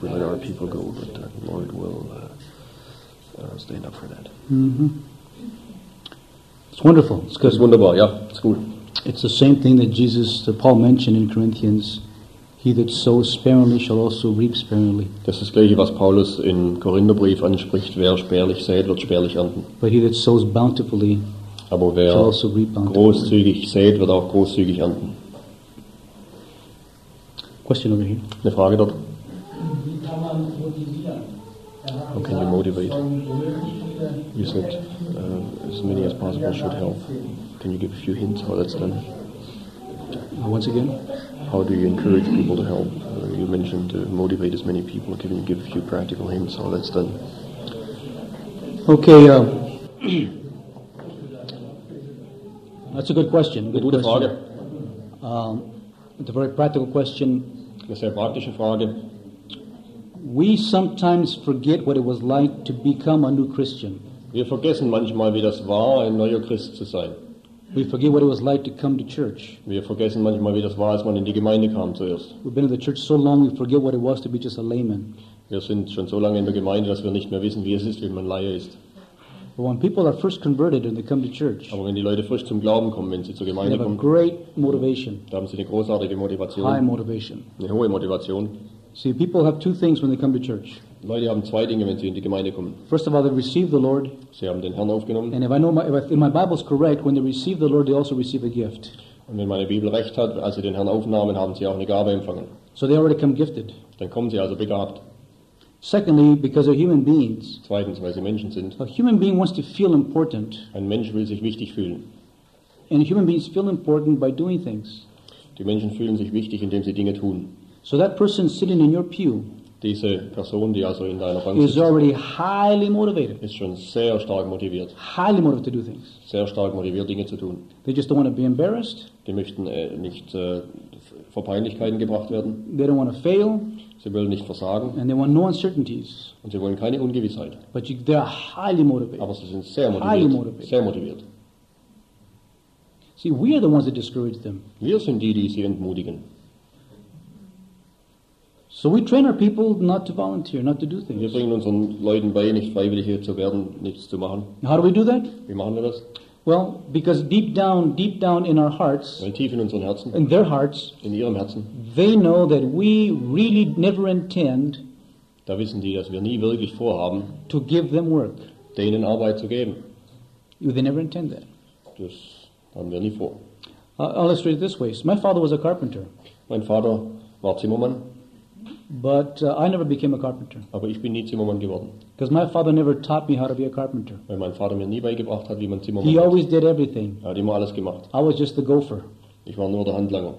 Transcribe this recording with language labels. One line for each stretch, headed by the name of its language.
English: We let our people go, but the Lord will stand up for that. Mm-hmm. It's wonderful. It's good. It's wonderful, yeah. It's good. It's the same thing that Jesus, that Paul mentioned in Corinthians. He that sows sparingly shall also reap sparingly.
German: Das ist das Gleiche, was Paulus im Korintherbrief anspricht. Wer spärlich sät, wird spärlich ernten.
English: But he that sows bountifully
German: aber wer
English: shall also reap bountifully.
German: Großzügig sät, wird auch großzügig ernten.
English: Question over here.
German: Eine Frage dort. Wie kann man motivieren?
English: How can you motivate? You said as many as possible should help. Can you give a few hints how that's done? Once again? How do you encourage people to help? You mentioned to motivate as many people. Can you give a few practical hints how that's done? Okay. That's a good question.
German: Gute Frage.
English: It's a very practical question.
German: Eine sehr praktische Frage.
English: We sometimes forget what it was like to become a new Christian.
German: Wir vergessen manchmal, wie das war, ein neuer Christ zu sein.
English: We forget what it was like to come to church.
German: Wir vergessen manchmal, wie das war, als man in die Gemeinde kam zuerst.
English: We've been in the church so long, we forget what it was to be just a layman.
German: Wir sind schon so lange in der Gemeinde, dass wir nicht mehr wissen, wie es ist, wenn man Laie ist.
English: But when people are first converted and they come to church,
German: aber wenn die Leute frisch zum Glauben kommen, wenn sie zur Gemeinde
English: they have
German: kommen,
English: a great motivation.
German: Da haben sie eine großartige Motivation.
English: High motivation.
German: Eine hohe Motivation.
English: See, people have two things when they come to church.
German: Leute haben zwei Dinge, wenn sie in die Gemeinde kommen.
English: First of all, they receive the Lord.
German: Sie haben den Herrn aufgenommen.
English: And if I know my, if my Bible is correct, when they receive the Lord, they also receive a gift.
German: Und wenn meine Bibel recht hat, als sie den Herrn aufnahmen, haben sie auch eine Gabe empfangen.
English: So they already come gifted.
German: Dann kommen sie also begabt.
English: Secondly, because they're human beings.
German: Zweitens, weil sie Menschen sind.
English: A human being wants to feel important.
German: Ein Mensch will sich wichtig fühlen.
English: And human beings feel important by doing things.
German: Die Menschen fühlen sich wichtig, indem sie Dinge tun.
English: So that person sitting in your pew.
German: Diese Person, die also in deiner Bank sitzt,
English: is already highly motivated.
German: Ist schon sehr stark motiviert.
English: Highly motivated to do things.
German: Sehr stark motiviert, Dinge zu tun.
English: They just don't want to be embarrassed.
German: Die möchten nicht vor Peinlichkeiten gebracht werden.
English: They don't want to fail.
German: Sie wollen nicht versagen.
English: And they want no uncertainties.
German: Und sie wollen keine Ungewissheit.
English: But you, they are highly motivated.
German: Aber sie sind sehr motiviert.
English: Highly motivated.
German: Sehr motiviert.
English: See, we are the ones that discourage them.
German: Wir sind die, die sie entmutigen.
English: So we train our people not to volunteer, not to do things.
German: Wir bringen unseren Leuten bei, nicht freiwillig hier zu werden, nichts zu machen.
English: How do we do that?
German: Wie machen wir das?
English: Well, because deep down in our hearts,
German: weil tief in unseren Herzen,
English: in their hearts,
German: in ihrem Herzen,
English: they know that we really never intend,
German: da wissen die, dass wir nie wirklich vorhaben,
English: to give them work,
German: denen Arbeit zu geben.
English: They never intend that.
German: Das haben wir nie vor.
English: I'll illustrate it this way. So my father was a carpenter.
German: Mein Vater war Zimmermann.
English: But I never became a carpenter.
German: Aber ich bin nie Zimmermann geworden.
English: Because my father never taught me how to be a carpenter.
German: Weil mein Vater mir nie beigebracht hat, wie man Zimmermann
English: He
German: hat.
English: Always did everything.
German: Er hat immer alles gemacht.
English: I was just the gopher.
German: Ich war nur der Handlanger.